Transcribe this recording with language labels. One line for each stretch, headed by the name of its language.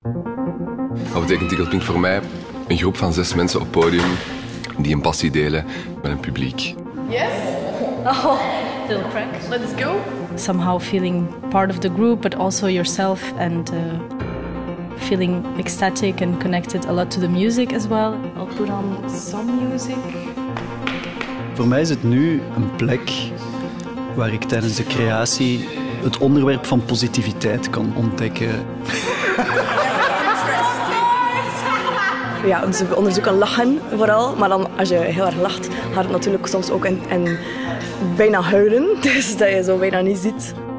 Dutch: Dat betekent Tickle Pink voor mij een groep van 6 mensen op podium die een passie delen met een publiek.
English: Yes? Oh, little crack. Let's go. Somehow feeling part of the group, but also yourself and feeling ecstatic and connected a lot to the music as well. I'll put on some music.
Dutch: Voor mij is het nu een plek waar ik tijdens de creatie het onderwerp van positiviteit kan ontdekken. Ja, ze onderzoeken lachen vooral, maar dan als je heel erg lacht, gaat het natuurlijk soms ook en bijna huilen, dus dat je zo bijna niet ziet.